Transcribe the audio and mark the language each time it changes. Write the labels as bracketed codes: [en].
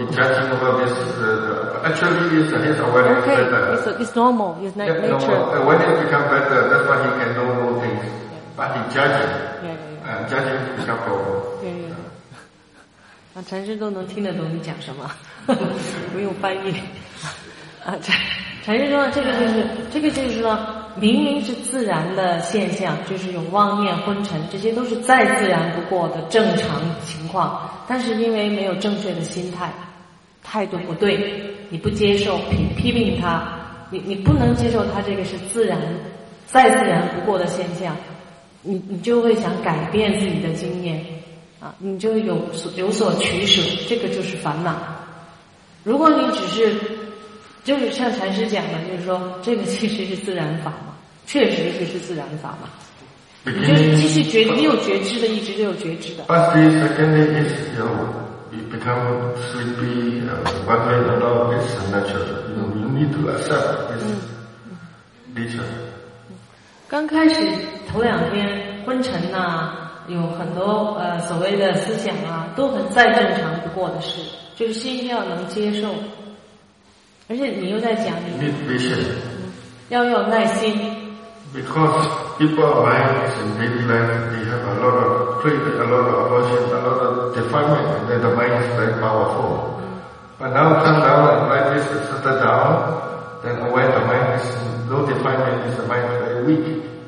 [en] In judging about this, actually is his awareness better. It's normal. It's natural. When it becomes better, that's why he can know more things. [zh] 家境，家境比较高。啊，禅师都能听得懂你讲什么，不用翻译。啊，禅师说这个就是，说明明是自然的现象，就是有妄念昏沉，这些都是再自然不过的正常情况。但是因为没有正确的心态，态度不对，你不接受批评他，你不能接受他这个是自然，再自然不过的现象，你就会想改变自己的经验。啊，你就有所取舍，这个就是烦恼。如果你只是，就是像禅师讲的，就是说这个其实是自然法嘛，确实就是自然法嘛。你就继续觉，你有觉知的，一直就有觉知的。 [en] But the second thing is, you know, you become sleepy, one way or another, it's natural. You know, you need to accept this nature. [zh] 刚开始头两天昏沉呐、有很多所谓的思想啊，都很再正常不过的事，就是心要能接受。而且你又在讲你 [en] need patience, [zh] 要有耐心。 [en] Because people are mind is in daily life, they have a lot of craving, a lot of aversion, a lot of defilement, and then the mind is very powerful. But now come down and like this, it's settled down, then when the mind is no defilement, is the mind very weak.